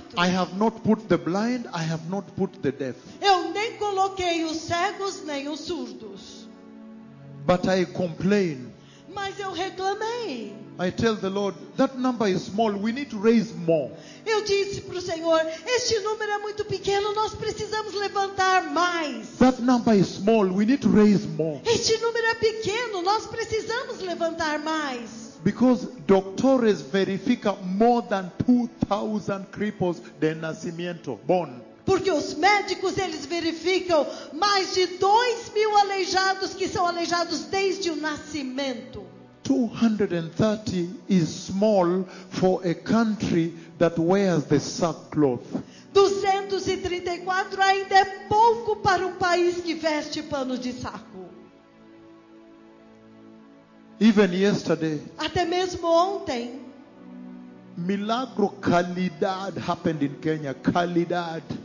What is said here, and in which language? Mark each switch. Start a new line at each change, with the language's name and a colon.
English: I have not put the blind, I have not put the deaf.
Portuguese: Eu nem coloquei os cegos nem os surdos.
English: But I complain.
Portuguese: Mas eu reclamei.
English: I tell the Lord, that number is small, we need to raise more.
Portuguese: Eu disse para o Senhor, este número é muito pequeno, nós precisamos levantar mais.
English: That number is small, we need to raise more.
Portuguese: Este número é pequeno, nós precisamos levantar mais.
English: Because
Spanish: doctores verifica
English: more than 2,000 cripples
Portuguese: de nascimento,
English: born.
Portuguese: Porque os médicos, eles verificam mais de 2,000 aleijados que são aleijados desde o nascimento.
English: 230 is small for a country that wears the sackcloth.
Portuguese: 234 ainda é pouco para um país que veste pano de saco.
English: Even yesterday.
Portuguese: Até mesmo ontem.
Spanish: Milagro qualidade
English: happened in Kenya. Qualidade.